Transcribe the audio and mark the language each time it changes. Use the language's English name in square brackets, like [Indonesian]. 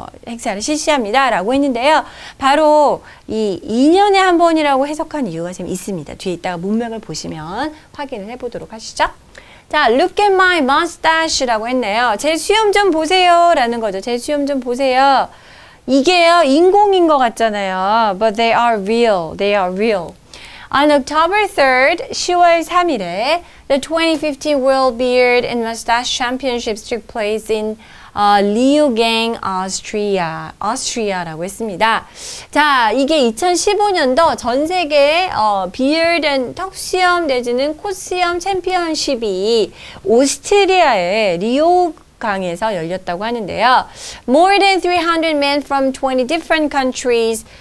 [Korean] 행사를 실시합니다. 라고 했는데요. 바로 이 2년에 한 번이라고 해석한 이유가 지금 있습니다. 뒤에 있다가 문맥을 보시면 확인을 해보도록 하시죠. 자, [English] look at my mustache [Korean] 라고 했네요. 제 수염 좀 보세요. 라는 거죠. 제 수염 좀 보세요. 이게요, 인공인 것 같잖아요. [English] But they are real. They are real. On October 3rd, [Korean] 10월 3일에 [English] the 2015 World Beard and Mustache Championships took place in Liaoning, Austria. [Korean] Austria라고 했습니다. 자, 이게 2015년도 전 세계 [English] beard and [Korean] 턱수염 내지는 코수염 챔피언십이 오스트리아의 리오강에서 열렸다고 하는데요. [English] More than 300 men from 20 different countries.